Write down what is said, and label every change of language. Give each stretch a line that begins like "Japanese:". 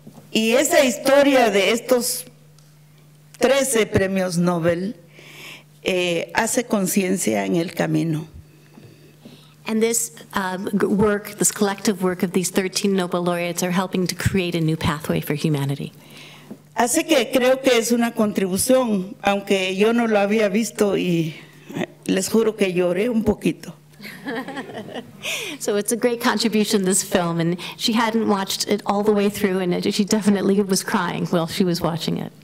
Spanish: Y esa historia de estos 13 premios Nobel hace conciencia en el camino.
English: And this work, this collective work of these 13 Nobel laureates are helping to create a new pathway for humanity.
Spanish: Así que creo que es una contribución, aunque yo no lo había visto y les juro que lloré un poquito.
English: So it's a great contribution, this film, and she hadn't watched it all the way through, and she definitely was crying while she was watching it.